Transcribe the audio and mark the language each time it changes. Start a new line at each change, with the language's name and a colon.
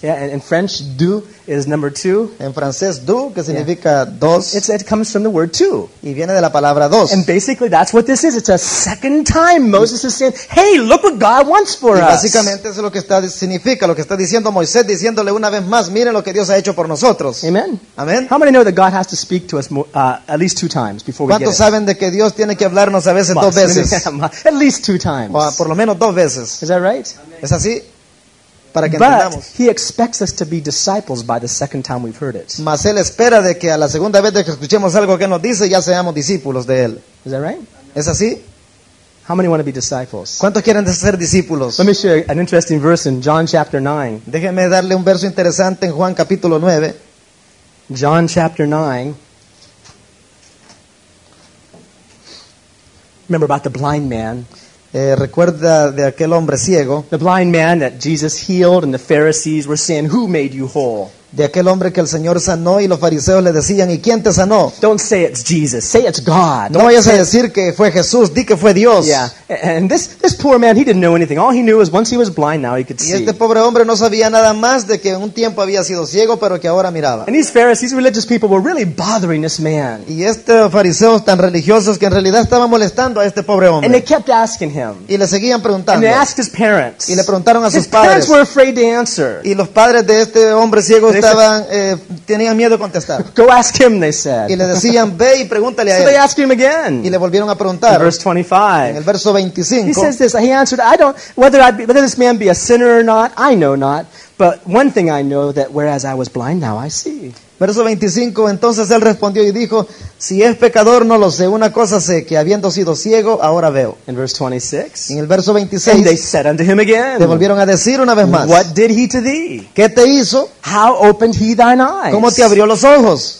English: Yeah, and in French, deux is number two.
Spanish: En francés, deux, que significa dos.
English: It comes from the word two.
Spanish: Y viene de la palabra dos.
English: And basically, that's what this is. It's a second time Moses is saying, hey, look what God wants for us.
Spanish: Básicamente, eso es lo que está, significa, lo que está diciendo Moisés, diciéndole una vez más, miren lo que Dios ha hecho por nosotros.
English: Amen.
Spanish: Amen.
English: How many know that God has to speak to us at least two times before we get it?
Spanish: ¿Cuántos saben de que Dios tiene que hablarnos a veces dos veces?
English: At least two times.
Spanish: Por lo menos dos veces.
English: Is that right?
Spanish: ¿Es así? Para que
English: but
Spanish: entendamos.
English: He expects us to be disciples by the second time we've heard it.
Spanish: Mas él espera de que a la segunda vez de que escuchemos algo que nos dice ya seamos discípulos de él.
English: Is that right?
Spanish: ¿Es así?
English: How many want to be disciples?
Spanish: ¿Cuántos quieren ser discípulos?
English: Let me show you an interesting verse in John chapter 9.
Spanish: Déjeme darle un verso interesante en Juan capítulo 9.
English: John chapter 9. Remember about the blind man.
Spanish: Recuerda de aquel hombre ciego.
English: The blind man that Jesus healed and the Pharisees were saying, who made you whole?
Spanish: De aquel hombre que el Señor sanó y los fariseos le decían, ¿y quién te sanó?
English: Don't say it's Jesus, say it's God.
Spanish: No vayas a decir que fue Jesús, di que fue Dios.
English: Yeah. And this poor man, he didn't know anything. All he knew was once he was blind, now he could see.
Spanish: Y este pobre hombre no sabía nada más de que un tiempo había sido ciego, pero que ahora miraba.
English: And these Pharisees, religious people, were really bothering this man.
Spanish: Y estos fariseos tan religiosos que en realidad estaban molestando a este pobre hombre.
English: And they kept asking him.
Spanish: Y le seguían preguntando.
English: And they asked his parents.
Spanish: Y le preguntaron a sus padres.
English: His parents were afraid to answer.
Spanish: Y los padres de este hombre ciego estaban, tenían miedo de contestar.
English: Go ask him, they said.
Spanish: Y le decían, ve y pregúntale a él.
English: So they asked him again.
Spanish: Y le volvieron a preguntar.
English: In verse 25.
Spanish: En el verso 25.
English: He says this, he answered, I don't, whether this man be a sinner or not, I know not. But one thing I know, that whereas I was blind, now I see.
Spanish: Verso 25, entonces él respondió y dijo, si es pecador, no lo sé. Una cosa sé, que habiendo sido ciego, ahora veo.
English: In verse 26.
Spanish: En el verso 26.
English: And they said unto him again.
Spanish: Le volvieron a decir una vez más.
English: What did he to thee?
Spanish: ¿Qué te hizo?
English: How opened he thine eyes?
Spanish: ¿Cómo te abrió los ojos?